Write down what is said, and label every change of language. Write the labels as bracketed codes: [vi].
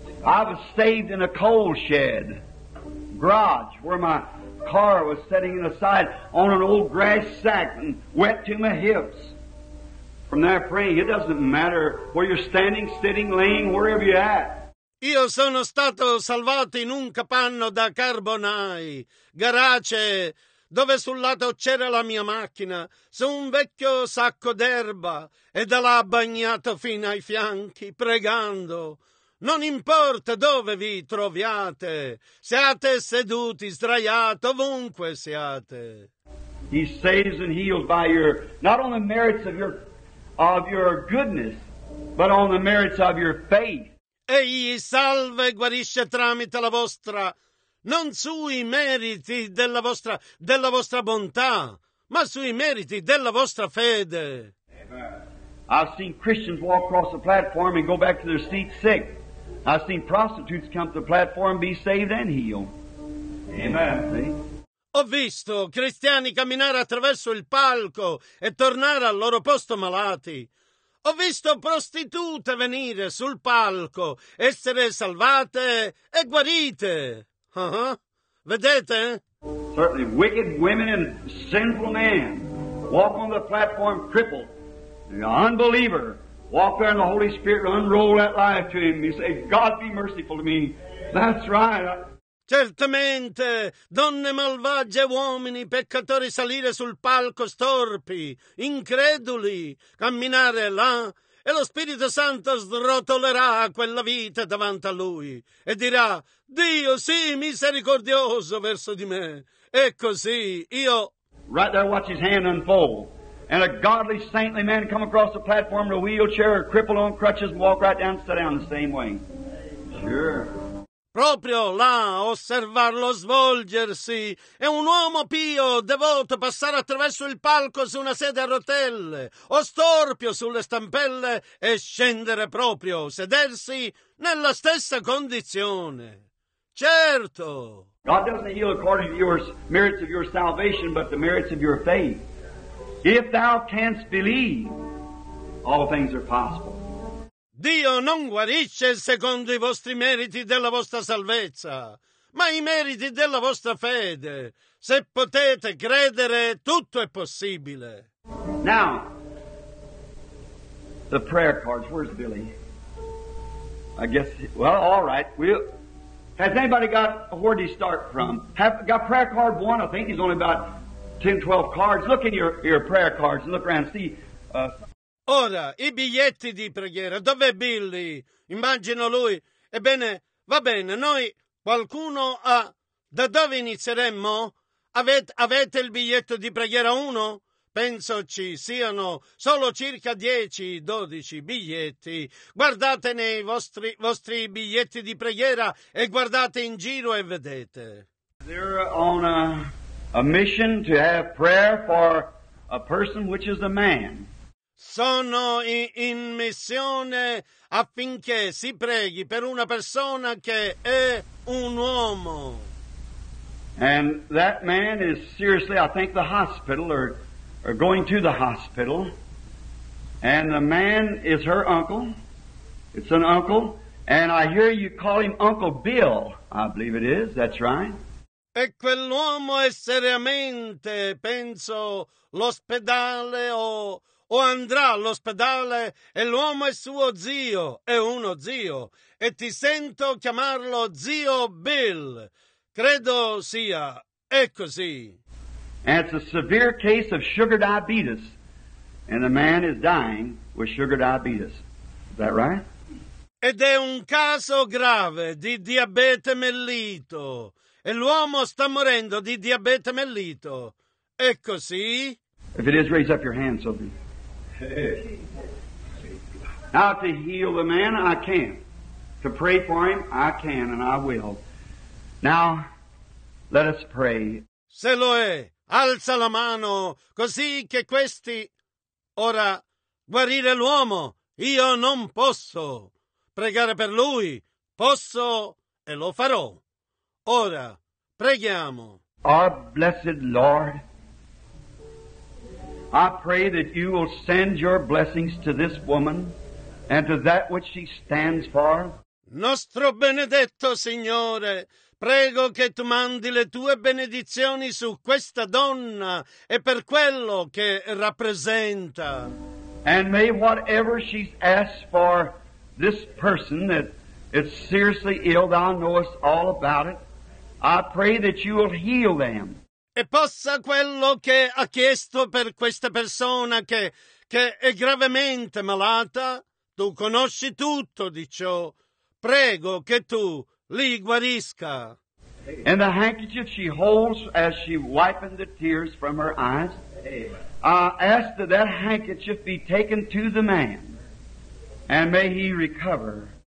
[en] I was saved in a coal shed, garage, where my car was sitting aside on an old grass sack and wet to my hips. From there praying, it doesn't matter where you're standing, sitting, laying, wherever you're at. [it] Io sono stato salvato in un capanno da carbonai, garage, dove sul lato c'era la mia macchina, su un vecchio sacco d'erba, e da là bagnato fino ai fianchi, pregando. Non importa dove vi troviate, siate seduti, sdraiati, ovunque siate. [en] He saves and heals by your, not on the merits of your goodness, but on the merits of your faith. [it] Egli salva e guarisce tramite la vostra, non sui meriti della vostra bontà, ma sui meriti della vostra fede. [en] I've seen Christians walk across the platform and go back to their seats sick. I've seen prostitutes come to the platform, be saved and healed. Amen. See? [it] Ho visto cristiani camminare attraverso il palco e tornare al loro posto malati. Ho visto prostitute venire sul palco, essere salvate e guarite. Uh-huh. Vedete? [en] Certainly, wicked women and sinful men walk on the platform crippled. The unbeliever walk there and the Holy Spirit unroll that life to him. He say, God be merciful to me. That's right. [it] Certamente, donne malvagie e uomini, peccatori salire sul palco storpi, increduli, camminare là, e lo Spirito Santo srotolerà quella vita davanti a lui e dirà, Dio, sii misericordioso verso di me. E così io... [en] Right there, watch his hand unfold. And a godly, saintly man come across the platform in a wheelchair, a cripple on crutches, and walk right down and sit down the same way. Sure. [it] Proprio là, osservarlo svolgersi, e un uomo pio, devoto, passare attraverso il palco su una sedia a rotelle, o storpio sulle stampelle, e scendere proprio, sedersi nella stessa condizione. Certo! [en] God doesn't heal according to your merits of your salvation, but the merits of your faith. If thou canst believe, all things are possible. [it] Dio non guarisce secondo i vostri meriti della vostra salvezza, ma i meriti della vostra fede. Se potete credere, tutto è possibile. [en] Now, the prayer cards. Where's Billy? I guess, well, all right. Has anybody got, where did he start from? Have got prayer card one? I think he's only about 10, 12 cards. Look in your prayer cards and look around and see... [it] Ora, i biglietti di preghiera. Dov'è Billy? Immagino lui. Ebbene, va bene. Noi Qualcuno ha... Da dove inizieremmo? Avete il biglietto di preghiera 1? Penso ci siano solo circa 10-12 biglietti. Guardate nei vostri biglietti di preghiera e guardate in giro e vedete. [en] They're on a mission to have prayer for a person which is a man. [it] Sono in missione affinché si preghi per una persona che è un uomo. [en] And that man is seriously, I think, the hospital or going to the hospital. And the man is her uncle. It's an uncle. And I hear you call him Uncle Bill. I believe it is. That's right. [it] E quell'uomo è seriamente, penso, l'ospedale o andrà all'ospedale e l'uomo è suo zio, è uno zio. E ti sento chiamarlo Zio Bill. Credo sia, è così. [en] And it's a severe case of sugar diabetes. And the man is dying with sugar diabetes. Is that right? [it] Ed è un caso grave di diabete mellito. E l'uomo sta morendo di diabete mellito. È così? [en] If it is, raise up your hand, Sophie. Now to heal the man, I can. To pray for him, I can and I will. Now, let us pray. [it] Se lo è, alza la mano, così che questi... Ora, guarire l'uomo, io non posso. Pregare per lui, posso e lo farò. Ora, preghiamo. [en] Our blessed Lord, I pray that you will send your blessings to this woman and to that which she stands for. [it] Nostro benedetto Signore, prego che tu mandi le tue benedizioni su questa donna e per quello che rappresenta. [en] And may whatever she's asked for this person that is seriously ill, thou knowest all about it, I pray that you will heal them. [it] E possa quello che ha chiesto per questa persona che è gravemente malata, tu conosci tutto di ciò. Prego che tu li guarisca. [en] And the handkerchief she holds as she wipes the tears from her eyes, I ask that that handkerchief be taken to the man, and may he recover.